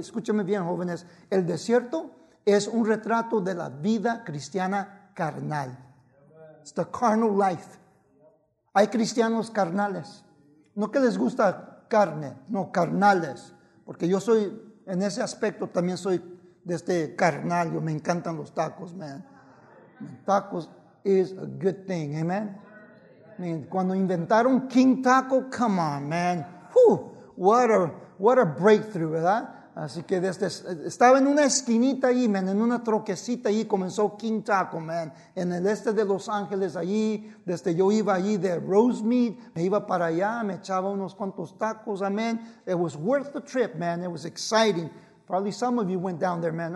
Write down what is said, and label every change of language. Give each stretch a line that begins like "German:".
Spanish: Escúchame bien, jóvenes. El desierto es un retrato de la vida cristiana carnal.
English: It's the carnal life.
Spanish: Hay cristianos carnales. No que les gusta carne, no, carnales. Porque yo soy, en ese aspecto también soy de este carnal, yo me encantan los tacos, man.
English: Tacos is a good thing, amen.
Spanish: Cuando inventaron
English: King Taco, come on, man. Whew, what a breakthrough, ¿verdad?
Spanish: Así que desde, estaba en una esquinita ahí, man, en una troquecita ahí, comenzó King Taco, man, en el este de Los Ángeles, allí, desde yo iba allí de Rosemead, me iba para allá, me echaba unos cuantos tacos, amén.
English: It was worth the trip, man, it was exciting. Probably some of you went down there, man.